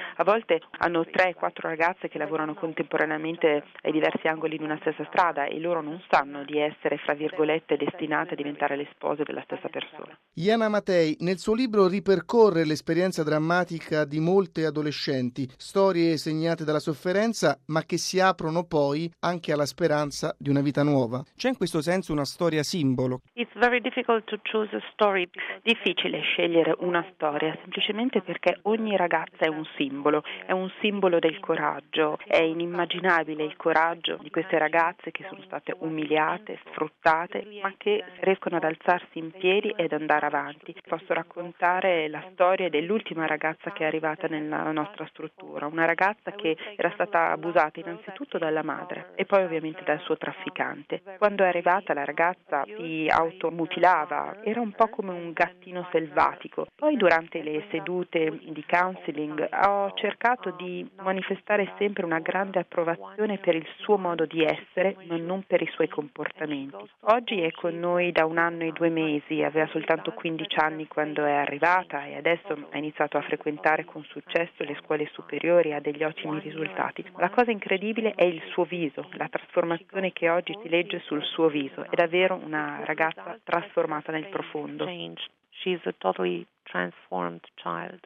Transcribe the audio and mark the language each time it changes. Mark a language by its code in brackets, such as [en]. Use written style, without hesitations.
[it] A volte hanno 3-4 ragazze che lavorano contemporaneamente ai diversi angoli di una stessa strada e loro non sanno di essere, fra virgolette, destinate a diventare le spose della stessa persona. Iana Matei nel suo libro ripercorre l'esperienza drammatica di molte adolescenti, storie segnate dalla sofferenza ma che si aprono poi anche alla speranza di una vita nuova. C'è in questo senso una storia simbolo? [en] It's very difficult to choose a story. [it] Difficile scegliere una storia, semplicemente perché ogni ragazza è un simbolo del coraggio. È inimmaginabile il coraggio di queste ragazze che sono state umiliate, sfruttate, ma che riescono ad alzarsi in piedi ed andare avanti. Posso raccontare la storia dell'ultima ragazza che è arrivata nella nostra struttura, una ragazza che era stata abusata innanzitutto dalla madre e poi ovviamente dal suo trafficante. Quando è arrivata la ragazza si automutilava, era un po' come un gattino selvatico. Poi durante le sedute di counseling ho cercato di manifestare sempre una grande approvazione per il suo modo di essere, ma non per i suoi comportamenti. Oggi è con noi da 1 anno e 2 mesi, aveva soltanto 15 anni quando è arrivata e adesso ha iniziato a frequentare con successo le scuole superiori, ha degli ottimi risultati. La cosa incredibile è il suo viso, la trasformazione che oggi si legge sul suo viso. È davvero una ragazza trasformata nel profondo. [en] She's a totally transformed child.